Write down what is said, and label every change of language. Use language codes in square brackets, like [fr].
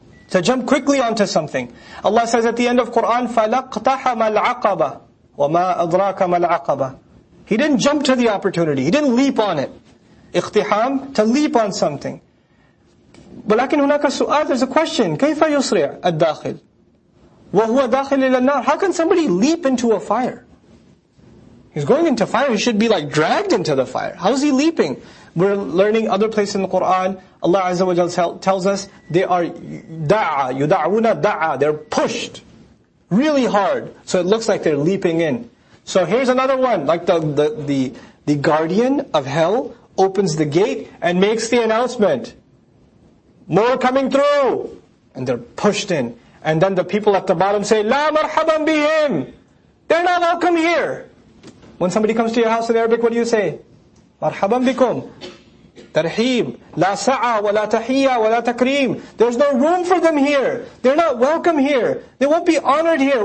[en] To jump quickly onto something. Allah says at the end of Quran, [ar] فَلَقْتَحَمَ الْعَقَبَ وَمَا أَدْرَاكَ مَ الْعَقَبَ. [en] He didn't jump to the opportunity, he didn't leap on it. اقتحام, to leap on something. [ar] ولكن هناك سؤال, [en] there's a question. [ar] كيف يسرع الداخل؟ وهو داخل إلى النار. [en] How can somebody leap into a fire? He's going into fire, he should be like dragged into the fire. How is he leaping? We're learning other places in the Quran, Allah Azza wa Jal tells us, they are da'a, yuda'una da'a, they're pushed really hard. So it looks like they're leaping in. So here's another one, like the guardian of hell opens the gate and makes the announcement. More coming through! And they're pushed in. And then the people at the bottom say, [ar] لا مرحباً بهم! [en] They're not welcome here! When somebody comes to your house in Arabic, what do you say? [ar] مرحباً بكم! ترحيب! لا سعى ولا تحية ولا تكريم! [en] There's no room for them here! They're not welcome here! They won't be honored here!